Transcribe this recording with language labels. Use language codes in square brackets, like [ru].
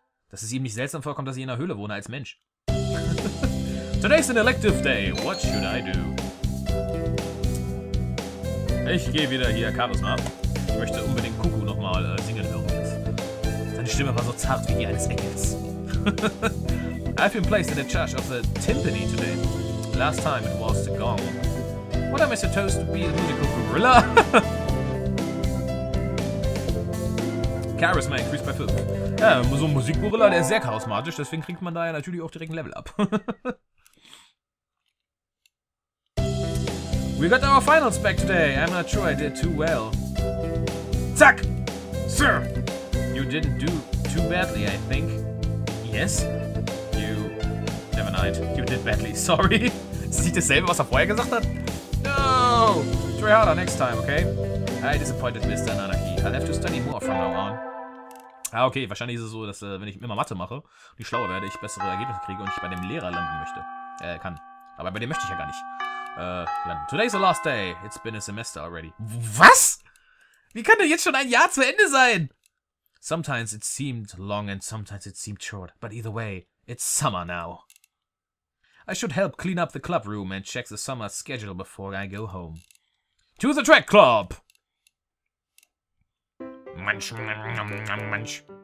[de] Dass es ihm nicht seltsam vorkommt, dass ich in der Höhle wohne als Mensch. [en] Today's an elective day. What should I do? [de] Ich gehe wieder hier Charisma. Ich möchte unbedingt Kuku nochmal singen hören. Seine Stimme war so zart wie die eines Engels. [en] I've been placed in the charge of the timpani today. Last time it was the gong. What am I supposed to be, a musical gorilla? Charisma increased by 5. [de] Ja, so ein Musikgorilla, der ist sehr charismatisch, deswegen kriegt man da ja natürlich auch direkt ein Level ab. [en] We got our finals back today. I'm not sure I did too well. Zack! Sir! You didn't do too badly, I think. Yes? You... Never mind. You did badly. Sorry. [de] Ist das nicht dasselbe, was vorher gesagt hat? [en] No! Try harder next time, okay? I disappointed Mr. Nanaki. I'll have to study more from now on. Ah, okay. [de] Wahrscheinlich ist es so, dass wenn ich immer Mathe mache und ich schlauer werde, ich bessere Ergebnisse kriege und ich bei dem Lehrer landen möchte. Kann. Aber bei dem möchte ich ja gar nicht. Landen. [en] Today's the last day. It's been a semester already. [de] Was? Wie kann denn jetzt schon ein Jahr zu Ende sein? [en] Sometimes it seemed long and sometimes it seemed short. But either way, it's summer now. I should help clean up the club room and check the summer schedule before I go home. To the track club! Munch, nom, nom, nom, munch.